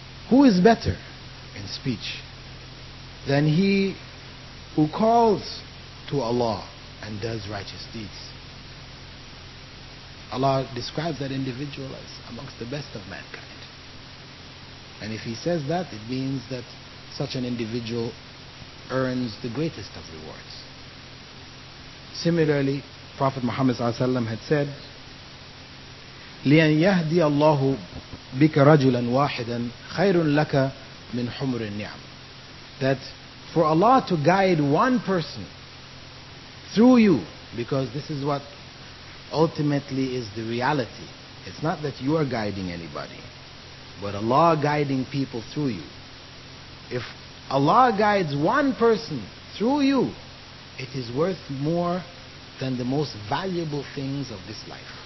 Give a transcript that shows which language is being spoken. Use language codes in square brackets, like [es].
[en] Who is better in speech than he who calls to Allah and does righteous deeds? Allah describes that individual as amongst the best of mankind. And if He says that, it means that such an individual earns the greatest of rewards. Similarly, Prophet Muhammad sallallahu alaihi wasallam had said, [ar] لِأَنْ يَهْدِيَ اللَّهُ بِكَ رَجُلًا وَاحِدًا خَيْرٌ لَكَ مِنْ حُمْرِ النِّعْمِ. [en] That for Allah to guide one person through you, because this is what ultimately is the reality. It's not that you are guiding anybody, but Allah guiding people through you. If Allah guides one person through you, it is worth more than the most valuable things of this life.